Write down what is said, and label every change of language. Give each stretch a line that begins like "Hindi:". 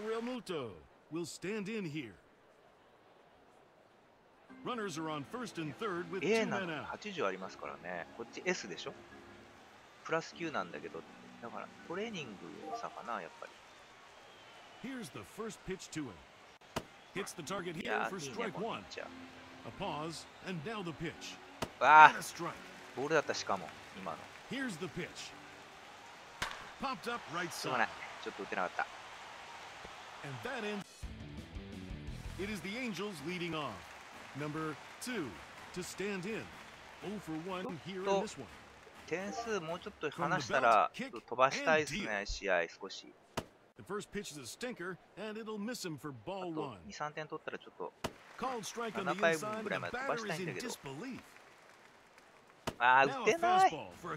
English: Realmuto will stand in here. Runners are on first and third with two men out. A
Japanese: なんて80ありますからね。こっち S でしょ。プラス9なんだけど、だからトレーニングの差かな、やっぱり。
English: Here's the first pitch to him. Hits the target here for strike one. A pause and now the pitch.
Japanese: あ、ボールだったしかも今の。
English: Here's the pitch. Popped up right
Japanese: side. すまない、ちょっと打てなかった。
English: And that ends. It is the Angels leading off. Number two to stand in. 0 for 1 here in this one.
Japanese: 点数もうちょっと離したら飛ばしたいですね、試合少し。
English: The first pitch is a stinker, and it'll miss him for ball one.
Japanese: 2、3点取ったらちょっと7回分ぐらいまで飛ばしたいんだけど。ああ、打てない。